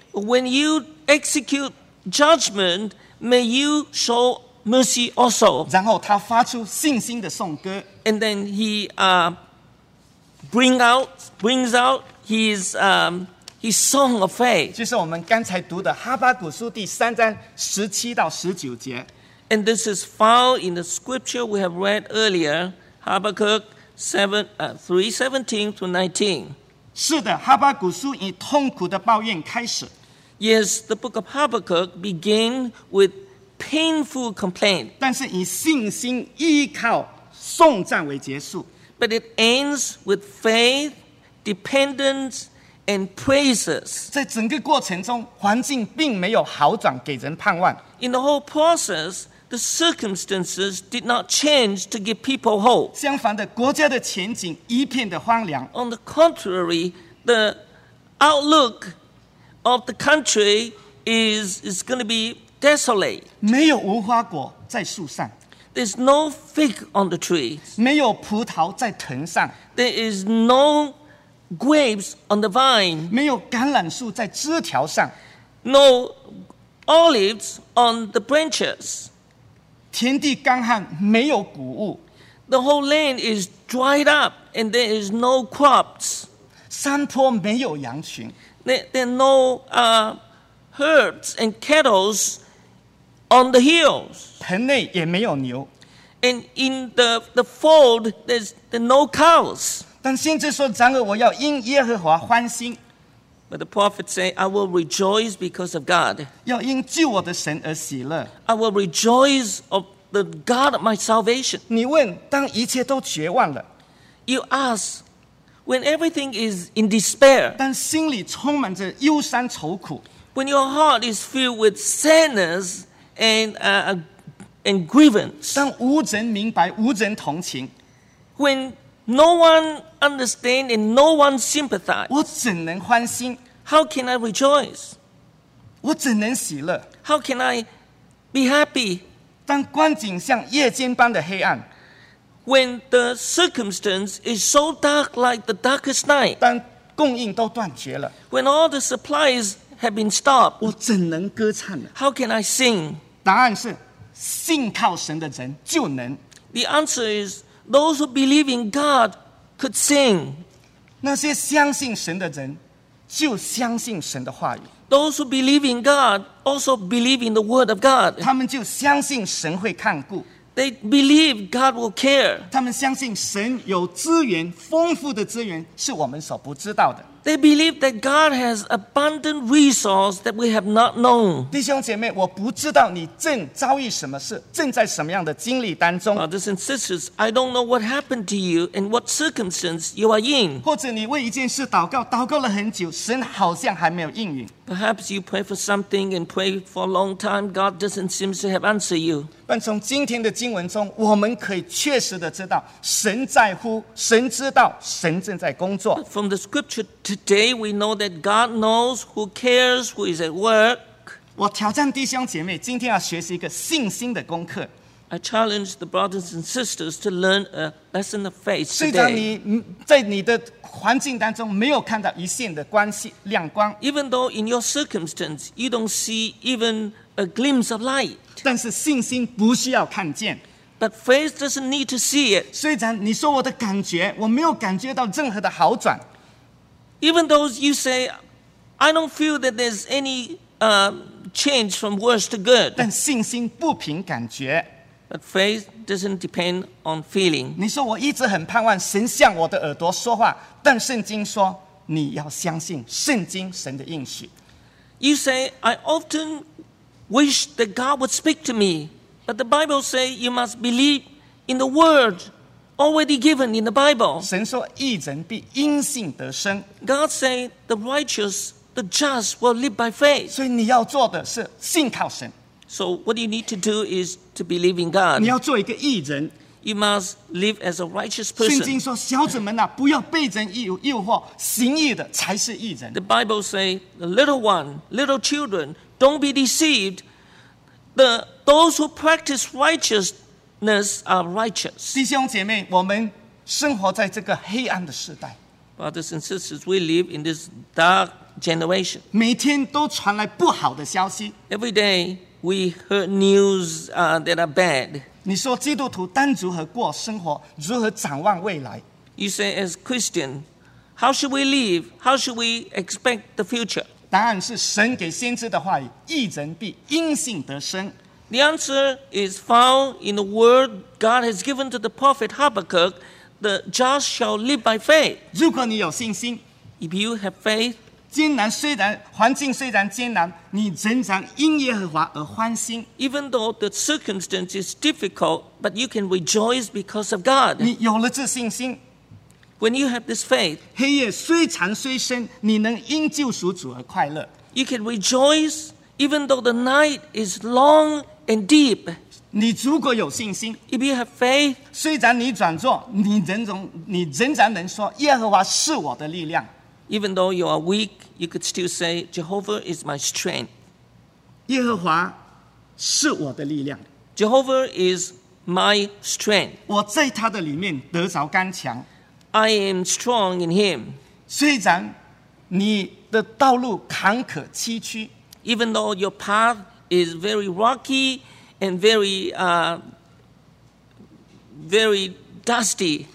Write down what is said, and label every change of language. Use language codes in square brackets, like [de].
[en] When you execute judgment, may you show mercy also. [zh] 然后他发出信心的颂歌。 [en] And then he brings out his His song of faith. [zh] 就是我们刚才读的哈巴谷书第三章十七到十九节。 [en] And this is found in the scripture we have read earlier, Habakkuk 3:17-19. [zh] 是的，哈巴谷书以痛苦的抱怨开始。 [en] Yes, the book of Habakkuk began with painful complaint. [zh] 但是以信心依靠颂赞为结束。 [en] But it ends with faith, dependence, and praises. [zh] 在整个过程中，环境并没有好转，给人盼望。 [en] In the whole process, the circumstances did not change to give people hope. [zh] 相反的，国家的前景一片的荒凉。 [en] On the contrary, the outlook of the country is going to be desolate. [zh] 没有无花果在树上。 [en] There's no fig on the tree. [zh] 没有葡萄在藤上。 [en] There is no grapes on the vine. [zh] 没有橄榄树在枝条上。 [en] No olives on the branches. [zh] 田地干旱，没有谷物。 [en] The whole land is dried up and there is no crops. [zh] 山坡没有羊群。 [en] There are no herds and cattle on the hills. [zh] 盆内也没有牛。 [en] And in the fold there's no cows. [zh] 但先知说，然而我要因耶和华欢心。 [en] But the prophet said, I will rejoice because of God. [zh] 要因救我的神而喜乐。 [en] I will rejoice of the God of my salvation. [zh] 你问，当一切都绝望了。 [en] You ask, when everything is in despair. [zh] 但心里充满着忧伤愁苦。 [en] When your heart is filled with sadness and grievance. [zh] 当无人明白，无人同情。 [en] When no one understands and no one sympathizes. [zh] 我怎能欢心? [en] How can I rejoice? [zh] 我怎能喜乐? [en] How can I be happy? [zh] 当光景像夜间般的黑暗, [en] when the circumstance is so dark like the darkest night. [zh] 当供应都断绝了, [en] when all the supplies have been stopped. [zh] 我怎能歌唱呢? [en] How can I sing? [zh] 答案是, 信靠神的人就能。 [en] The answer is, those who believe in God could sing. [zh] 那些相信神的人就相信神的话语。 [en] Those who believe in God also believe in the word of God. [zh] 他们就相信神会看顾。 [en] They believe God will care. [zh] 他们相信神有资源，丰富的资源是我们所不知道的。 [en] They believe that God has abundant resources that we have not known. [zh] 弟兄姐妹，我不知道你正遭遇什么事，正在什么样的经历当中。 [en] Brothers and sisters, I don't know what happened to you and what circumstance you are in. [zh] 或者你为一件事祷告，祷告了很久，神好像还没有应允。 [en] Perhaps you pray for something and pray for a long time, God doesn't seem to have answered you. [zh] 但从今天的经文中，我们可以确实的知道，神在乎，神知道，神正在工作。 [en] From the scripture today, we know that God knows, who cares, who is at work. [zh] 我挑战弟兄姐妹今天要学习一个信心的功课。 [en] I challenge the brothers and sisters to learn a lesson of faith today. [zh] 虽然你在你的环境当中没有看到一线的关系亮光 [en] ，Even though in your circumstance you don't see even a glimpse of light， [zh] 但是信心不需要看见 [en] ，But faith doesn't need to see it. [zh] 虽然你说我的感觉，我没有感觉到任何的好转 [en] ，Even though you say I don't feel that there's any change from worse to good， [zh] 但信心不凭感觉。 [en] But faith doesn't depend on feeling. [zh] 你说我一直很盼望神向我的耳朵说话，但圣经说你要相信圣经神的应许。 [en] You say I often wish that God would speak to me, but the Bible say you must believe in the word already given in the Bible. [zh] 神说义人必因信得生。 [en] God say the righteous, the just will live by faith. [zh] 所以你要做的是信靠神。 [en] So what you need to do is to believe in God. [zh] 你要做一个义人。 [en] You must live as a righteous person. [zh] 圣经说，小子们啊，不要被人诱惑，行义的才是义人。 [en] The Bible say, the little one, little children, don't be deceived. Those who practice righteousness are righteous. [zh] 弟兄姐妹，我们生活在这个黑暗的时代。 [en] Brothers and sisters, we live in this dark generation. [zh] 每天都传来不好的消息。 [en] Every day. We heard news that are bad. [zh] 你说基督徒单如何过生活，如何展望未来 [en] ？You say as Christian, how should we live? How should we expect the future? [zh] 答案是神给先知的话语，义人必因信得生。 [en] The answer is found in the word God has given to the prophet Habakkuk: the just shall live by faith. [zh] 如果你有信心 [en] ，if you have faith. [zh] 艰难虽然环境虽然艰难，你仍然因耶和华而欢欣。 [en] Even though the circumstance is difficult, but you can rejoice because of God. [zh] 你有了这信心。 [en] When you have this faith, [zh] 黑夜虽长虽深，你能因救赎主而快乐。 [en] You can rejoice even though the night is long and deep. [zh] 你如果有信心 [en] ，If you have faith, [zh] 虽然你软弱，你仍然能说耶和华是我的力量。 [en] Even though you are weak, you could still say, Jehovah is my strength. [zh] 耶和华是我的力量。 [en] Jehovah is my strength. [zh] 我在他的里面得着刚强。 [en] I am strong in him. [zh] 虽然你的道路坎坷崎岖。 [en] Even though your path is very rocky and very dusty.